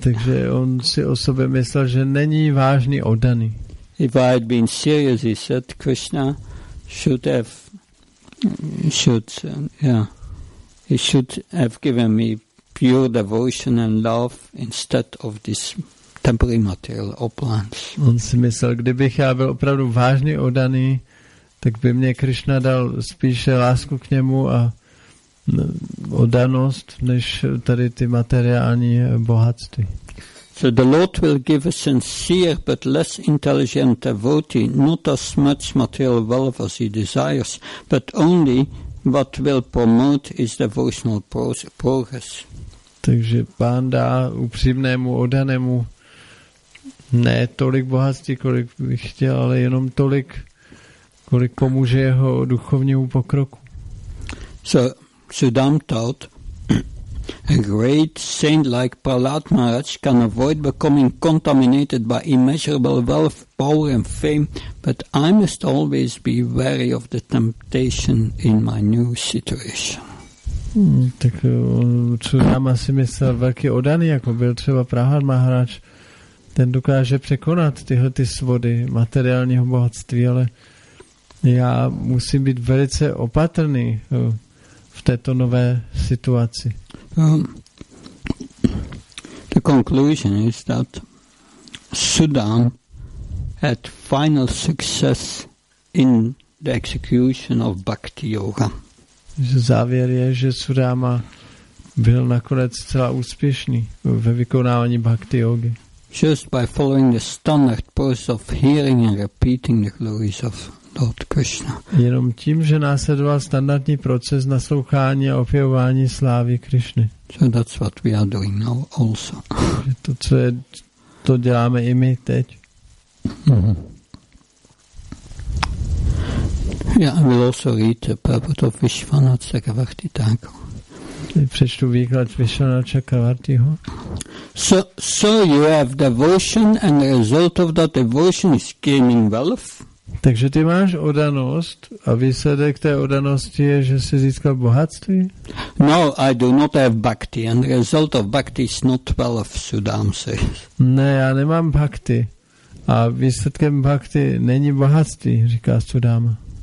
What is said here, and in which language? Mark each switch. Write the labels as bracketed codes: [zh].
[cs] Takže on si o sobě myslel, že není vážný oddaný. [en] If I had been serious, he said, Krishna should have given me pure devotion and love instead of this temporary material opulence. [cs] On si myslel, kdybych já byl opravdu vážně oddaný, tak by mě Krishna dal spíše lásku k němu a oddanost, než tady ty materiální bohatství. [en] So the Lord will give a sincere but less intelligent devotee not as much material wealth as he desires, but only what will promote his devotional progress. [cs] Takže pán dá upřímnému oddanému ne tolik bohatství, kolik by chtěl, ale jenom tolik, kolik pomůže jeho duchovnímu pokroku. [en] So Sudam taught, a great saint like Prahlad Maharaj can avoid becoming contaminated by immeasurable wealth, power and fame, but I must always be wary of the temptation in my new situation. [cs] Tak Sudama si myslel, velký oddaný, jako byl třeba Prahlad Maharaj, ten dokáže překonat tyhle ty svody materiálního bohatství, ale já musím být velice opatrný v této nové situaci. [en] The conclusion is that Sudam had final success in the execution of Bhakti Yoga. [cs] Závěr je, že Sudama byl nakonec celá úspěšný ve vykonávání Bhakti Yogi. [en] Just by following the standard process of hearing and repeating the glories of Lord Krishna. [cs] Jenom tím, že následoval standardní proces naslouchání a opěvování slávy Krishny. [en] So that's what we are doing now also. [cs] To, co je, to děláme i my teď. [en] Mm-hmm. Yeah, I will also read the purport of Vishvanath Chakravarti Thakur. [cs] Přečtu výklad Vishvanatha Chakravartiho. [en] So you have devotion and the result of that devotion is gaining wealth. [cs] Takže ty máš oddanost a výsledek té oddanosti je, že jsi získal bohatství? [en] No, I do not have bhakti and the result of bhakti is not wealth, Sudam says. [cs] Ne, já nemám bhakti a výsledkem bhakti není bohatství, říká Sudama.